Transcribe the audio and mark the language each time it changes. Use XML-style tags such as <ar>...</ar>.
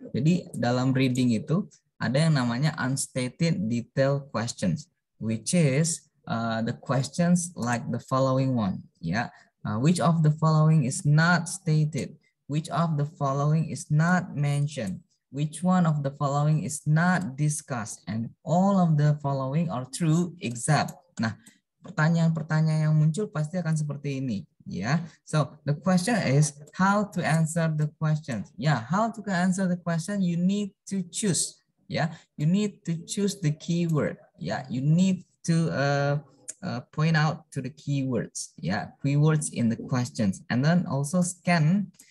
<id>Jadi dalam reading itu ada yang namanya</id> <en>unstated detail questions, which is the questions like the following one. Yeah, which of the following is not stated? Which of the following is not mentioned? Which one of the following is not discussed? And all of the following are true except.</en> <id>Nah, pertanyaan-pertanyaan yang muncul pasti akan seperti ini.</id> <en>Yeah. So the question is how to answer the question. Yeah, how to answer the question? You need to choose. Yeah, you need to choose the keyword. Yeah, you need to point out to the keywords. Yeah, keywords in the questions, and then also scan.</en>